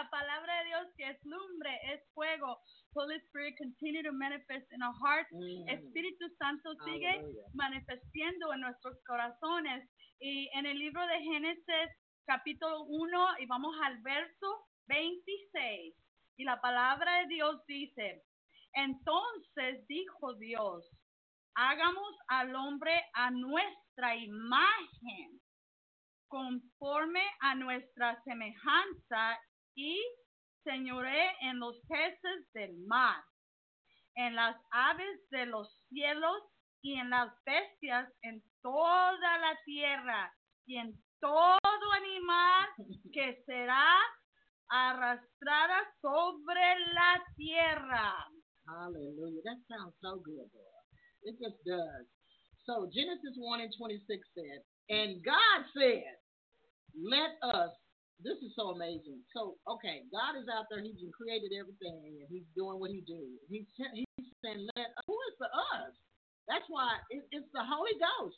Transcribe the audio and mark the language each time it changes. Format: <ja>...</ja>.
<es>La palabra de Dios, que es lumbre, es fuego.</es> <en>Holy Spirit, continue to manifest in our hearts. Mm-hmm.</en> <es>Espíritu Santo sigue manifestando en nuestros corazones. Y en el libro de Génesis, capítulo 1, y vamos al verso 26. Y la palabra de Dios dice, entonces dijo Dios, hagamos al hombre a nuestra imagen, conforme a nuestra semejanza, y señoré en los peces del mar, en las aves de los cielos, y en las bestias, en toda la tierra, y en todo animal que será arrastrada sobre la tierra.</es> <en>Hallelujah. That sounds so good, boy. It just does. So Genesis 1 and 26 said, and God said, let us, this is so amazing. So, okay, God is out there. He's created everything, and he's doing what he do. He's saying, let us. Who is the us? That's why it's the Holy Ghost.</en>